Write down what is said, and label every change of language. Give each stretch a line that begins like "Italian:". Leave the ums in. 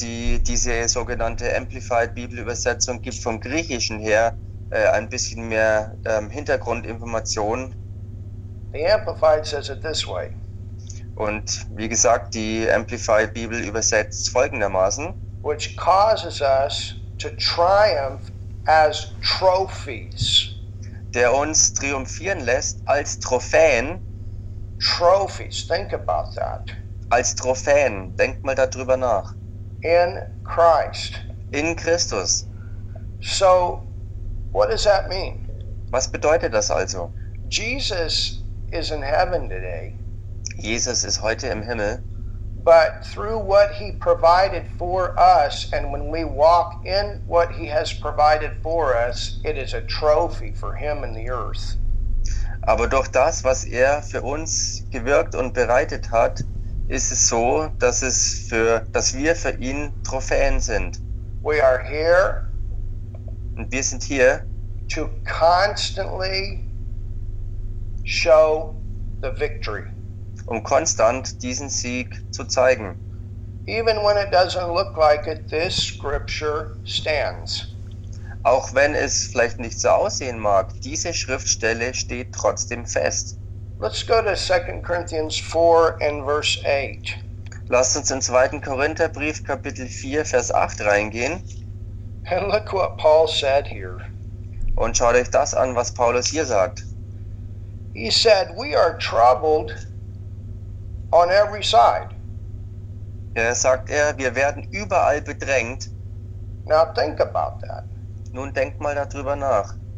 German: die, diese sogenannte Amplified Bibelübersetzung gibt vom Griechischen her äh, ein bisschen mehr ähm, Hintergrundinformationen.
English: The Amplified says it this way.
German: Und wie gesagt, die Amplified Bibel übersetzt folgendermaßen:
English: Which causes us to triumph as trophies.
German: Der uns triumphieren lässt als Trophäen.
English: trophies. Think about that.
German: Als Trophäen. Denk mal darüber nach. In
English: Christ.
German: In Christus.
English: So, what does that mean?
German: Was bedeutet das also?
English: Jesus is in heaven today.
German: Jesus is heute im Himmel.
English: But through what he provided for us, and when we walk in what he has provided for us, it is a trophy for him in the earth.
German: Aber durch das, was er für uns gewirkt und bereitet hat, ist es so, dass, es für, dass wir für ihn Trophäen sind.
English: We are here
German: und wir sind hier,
English: to constantly show the victory.
German: um konstant diesen Sieg zu zeigen.
English: Even when it doesn't look like it, this scripture stands
German: auch wenn es vielleicht nicht so aussehen mag, diese Schriftstelle steht trotzdem fest.
English: Let's go to 2 Corinthians 4 and verse 8.
German: Lasst uns in 2. Korintherbrief Kapitel 4 Vers 8 reingehen.
English: And look what Paul said here.
German: Und schaut euch das an, was Paulus hier sagt.
English: He said, we are troubled on every side.
German: Er sagt er, wir werden überall bedrängt.
English: Now think about that.
German: Nun denkt mal darüber nach.